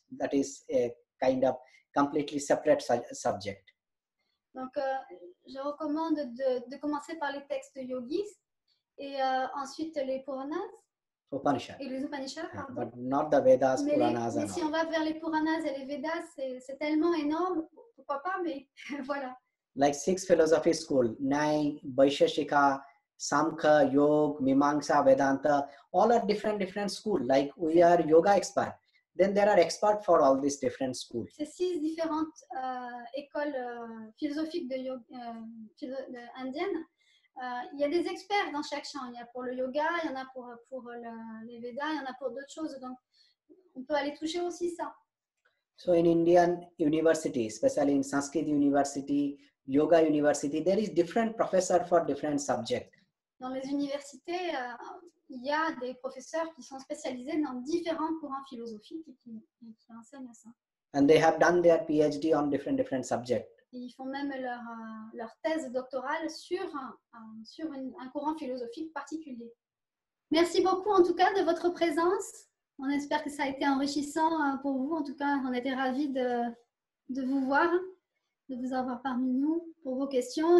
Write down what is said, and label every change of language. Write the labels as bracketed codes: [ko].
[en] That is a kind of completely separate subject. [fr] Donc, je recommande de commencer par les textes yogis et ensuite les Puranas. [en] Upanishad. [fr] Et les Upanishads, [en] but not the Vedas, [fr] mais Puranas. Mais si on va vers les Puranas et les Vedas, c'est tellement énorme, pourquoi pas, mais voilà. [en] Like six philosophy school, Nyaya, Vaisheshika, Samkha, Yoga, Mimamsa, Vedanta, all are different schools. Like we are yoga experts, then there are experts for all these different schools. [fr] C'est six différentes écoles philosophiques de yoga indienne. Il y a des experts dans chaque champ. Il y a pour le yoga, il y en a pour les Vedas, il y en a pour d'autres choses. Donc, on peut aller toucher aussi ça. [en] So in Indian university, especially in Sanskrit university, yoga university, there is different professor for different subjects. [fr] Dans les universités, il y a des professeurs qui sont spécialisés dans différents courants philosophiques et qui enseignent ça. [en] And they have done their PhD on different subjects. [fr] Et ils font même leur thèse doctorale sur un courant philosophique particulier. Merci beaucoup en tout cas de votre présence. On espère que ça a été enrichissant pour vous. En tout cas, on était ravis de vous voir, de vous avoir parmi nous pour vos questions.